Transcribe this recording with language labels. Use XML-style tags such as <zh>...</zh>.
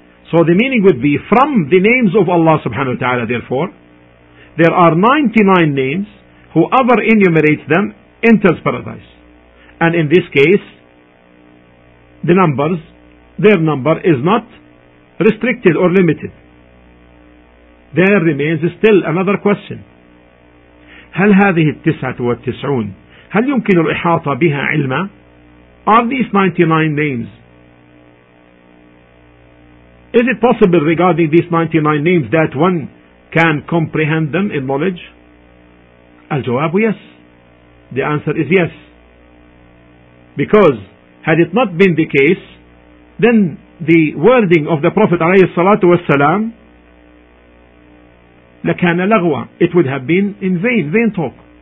<en>So the meaning would be from the names of Allah subhanahu wa ta'ala, therefore there are 99 names, whoever enumerates them enters paradise. And in this case, the numbers, their number is not restricted or limited. There remains still another question.</en> <ar>هل هذه التسعة والتسعون هل يمكن الإحاطة بها علما؟</ar> <en>Are these 99 names? Is it possible regarding these 99 names that one can comprehend them in knowledge?</en> <ar>الجواب</ar> <en>yes. The answer is yes. Because had it not been the case, then the wording of the Prophet عليه الصلاة والسلام</en> <ar>لكان لغوة,</ar> <en>it would have been in vain talk.</en>